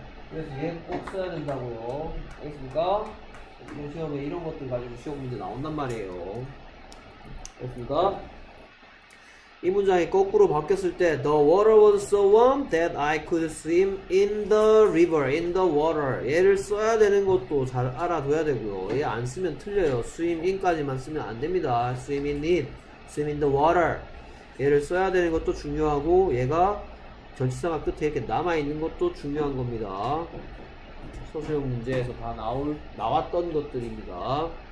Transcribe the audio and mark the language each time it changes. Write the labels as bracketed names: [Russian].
[Korean] 그래서 얘 꼭 써야 된다고요. 알겠습니까? 그 시험에 이런 것들 가지고 시험 문제 나온단 말이에요. 알겠습니까? 이 문장이 거꾸로 바뀌었을 때 [English] The water was so warm that I could swim in the river, in the water. [Korean] 얘를 써야 되는 것도 잘 알아둬야 되고요. 얘 안 쓰면 틀려요. swim in까지만 쓰면 안 됩니다. [English] swim in it, swim in the water. [Korean] 얘를 써야 되는 것도 중요하고 얘가 전치사가 끝에 이렇게 남아있는 것도 중요한 겁니다. 소수형 문제에서 다 나왔던 것들입니다.